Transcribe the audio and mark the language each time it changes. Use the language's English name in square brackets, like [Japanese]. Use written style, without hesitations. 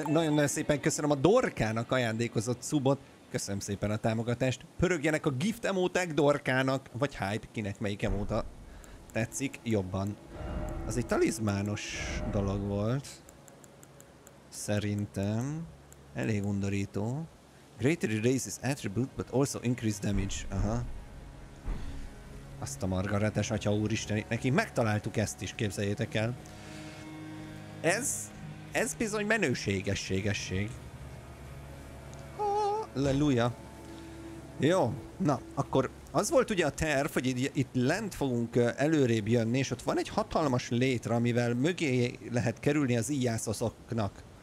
[Hungarian] Nagyon-nagyon szépen köszönöm a Dorkának ajándékozott szubot. Köszönöm szépen a támogatást. Pörögjenek a gift emóták Dorkának, vagy hype, kinek melyik emóta tetszik jobban. Az egy talizmános dolog volt. Szerintem elég undorító. [English] Greatly raises attribute, but also increase damage. Aha. [Hungarian] Azt a Margaretes atya úristen, neki megtaláltuk ezt is, képzeljétek el. Ez bizony menőségességesség. Halleluja. Jó, na, akkor az volt ugye a terv, hogy itt lent fogunk előrébb jönni, és ott van egy hatalmas létre, amivel mögé lehet kerülni az íjászoknak.